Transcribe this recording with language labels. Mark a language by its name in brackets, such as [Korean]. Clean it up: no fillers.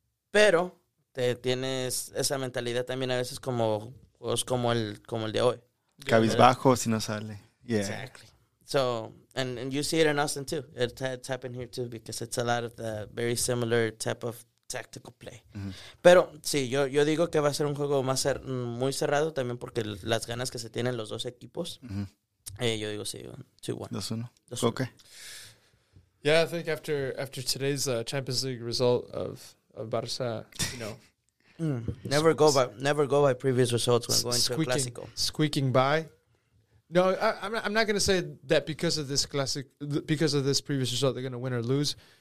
[Spanish] Pero te tienes esa mentalidad también a veces como juegos como el de hoy. Cabizbajo, si no sale. Yeah. [English] Exactly. So, and you see it in Austin, too. It's happened here, too, because it's a lot of the very similar type of tactical play. Mm-hmm. [Spanish] Pero, sí, yo digo que va a ser un juego más muy cerrado también porque las ganas que se tienen los dos equipos. Mm-hmm. Yo digo, sí, 2-1. [English] 2-1. Okay. Yeah, I think after today's Champions League result of Barca, you know. never go by previous results when going to a Clásico. Squeaking by. No, I'm not going to say that because of this classic, because of this previous result, they're going to win or lose.